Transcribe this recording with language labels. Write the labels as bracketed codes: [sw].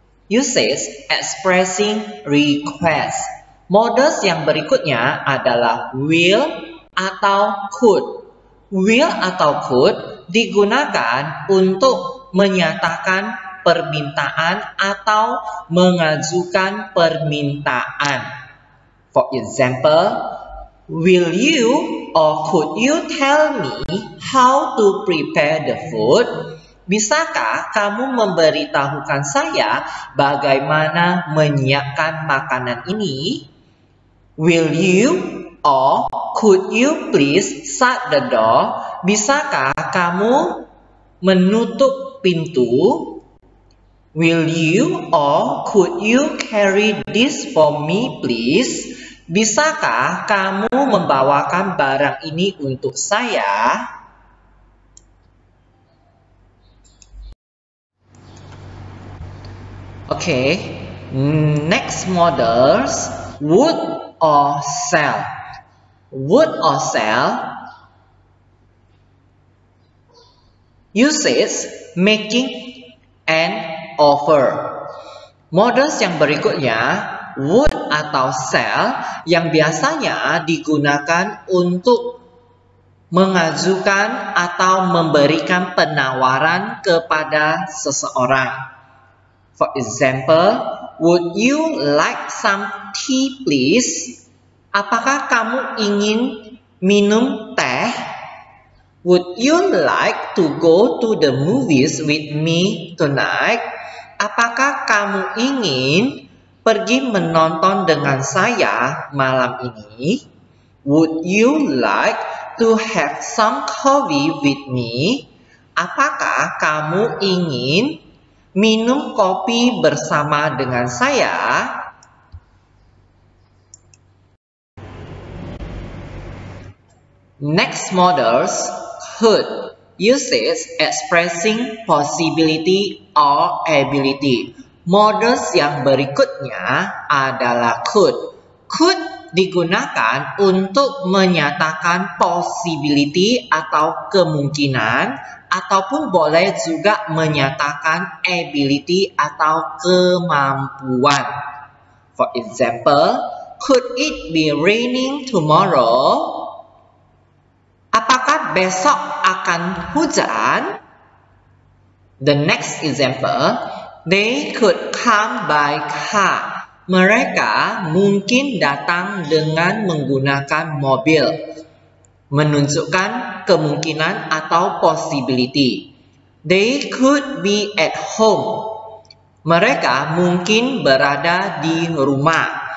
[en] Uses expressing request. [id] Models yang berikutnya adalah will atau could. Will atau could digunakan untuk menyatakan permintaan atau mengajukan permintaan. [en] For example, will you or could you tell me how to prepare the food? [id] Bisakah kamu memberitahukan saya bagaimana menyiapkan makanan ini? [en] Will you or could you please shut the door? [id] Bisakah kamu menutup pintu? [en] Will you or could you carry this for me, please? [id] Bisakah kamu membawakan barang ini untuk saya? [en] Okay, next models, would or shall. Would or shall uses making an offer. [id] Models yang berikutnya, would atau shall, yang biasanya digunakan untuk mengajukan atau memberikan penawaran kepada seseorang. [en] For example, would you like some tea, please? [id] Apakah kamu ingin minum teh? [en] Would you like to go to the movies with me tonight? [id] Apakah kamu ingin pergi menonton dengan saya malam ini? [en] Would you like to have some coffee with me? [id] Apakah kamu ingin minum kopi bersama dengan saya? [en] Next models, could, uses expressing possibility or ability. [id] Models yang berikutnya adalah could. Could digunakan untuk menyatakan possibility atau kemungkinan, ataupun boleh juga menyatakan ability atau kemampuan. [en] For example, could it be raining tomorrow? [id] Apakah besok akan hujan? [en] The next example, they could come by car. [id] Mereka mungkin datang dengan menggunakan mobil. Menunjukkan kemungkinan atau possibility. [en] They could be at home. [id] Mereka mungkin berada di rumah.